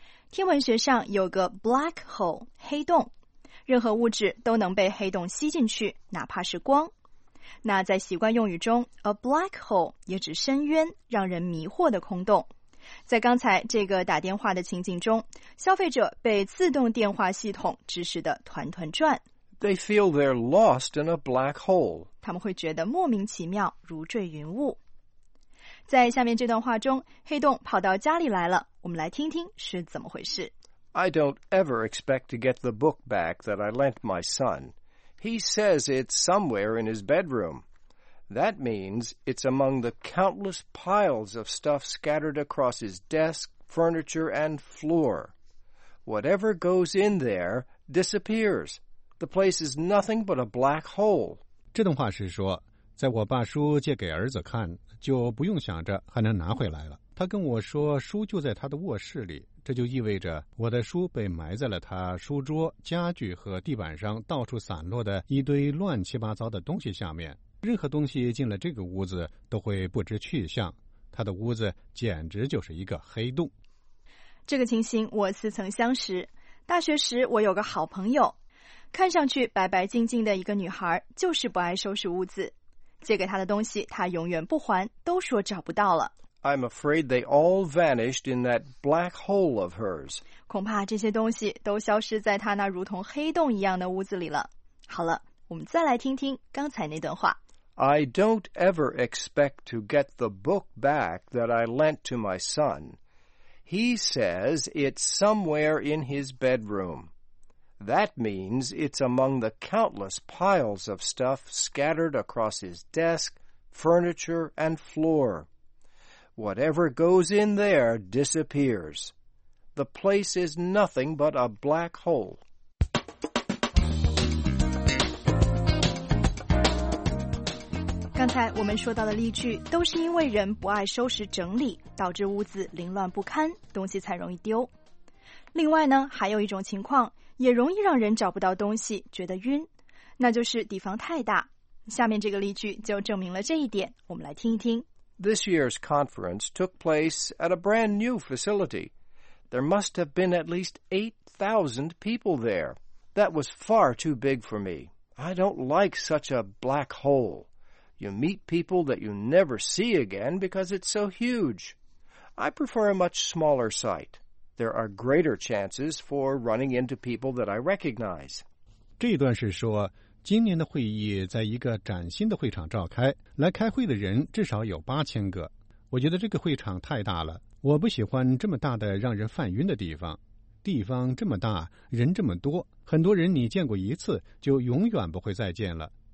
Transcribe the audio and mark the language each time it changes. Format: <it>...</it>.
<zh>天文学上有个 black hole, 黑洞，任何物质都能被黑洞吸进去，哪怕是光。那在习惯用语中 A black hole 也指深渊，让人迷惑的空洞。在刚才这个打电话的情景中，消费者被自动电话系统指使得团团转。</zh> <en>They feel they're lost in a black hole.</en> <zh>他们会觉得莫名其妙，如坠云雾。在下面这段话中，黑洞跑到家里来了，我们来听听是怎么回事。</zh> <en>I don't ever expect to get the book back that I lent my son. He says it's somewhere in his bedroom. That means it's among the countless piles of stuff scattered across his desk, furniture, and floor. Whatever goes in there disappears. The place is nothing but a black hole.</en> <zh>这段话是说，在我把书借给儿子看，就不用想着还能拿回来了。他跟我说，书就在他的卧室里，这就意味着我的书被埋在了他书桌、家具和地板上到处散落的一堆乱七八糟的东西下面。任何东西进了这个屋子都会不知去向，他的屋子简直就是一个黑洞。这个情形我似曾相识。大学时我有个好朋友，看上去白白净净的一个女孩，就是不爱收拾屋子。借给她的东西她永远不还，都说找不到了。</zh> <en>I'm afraid they all vanished in that black hole of hers.</en> <zh>恐怕这些东西都消失在她那如同黑洞一样的屋子里了。好了，我们再来听听刚才那段话。</zh> <en>I don't ever expect to get the book back that I lent to my son. He says it's somewhere in his bedroom. That means it's among the countless piles of stuff scattered across his desk, furniture, and floor. Whatever goes in there disappears. The place is nothing but a black hole.</en> <zh>刚才我们说到的例句都是因为人不爱收拾整理，导致屋子凌乱不堪，东西才容易丢。另外呢，还有一种情况也容易让人找不到东西，觉得晕，那就是底房太大。下面这个例句就证明了这一点，我们来听一听。</zh> <en>This year's conference took place at a brand new facility. There must have been at least 8,000 people there. That was far too big for me. I don't like such a black hole. You meet people that you never see again because it's so huge. I prefer a much smaller site. There are greater chances for running into people that I recognize.</en> <zh>这段是说，今年的会议在一个崭新的会场召开，来开会的人至少有8000个。我觉得这个会场太大了，我不喜欢这么大的让人犯晕的地方。地方这么大，人这么多，很多人你见过一次就永远不会再见了。</zh>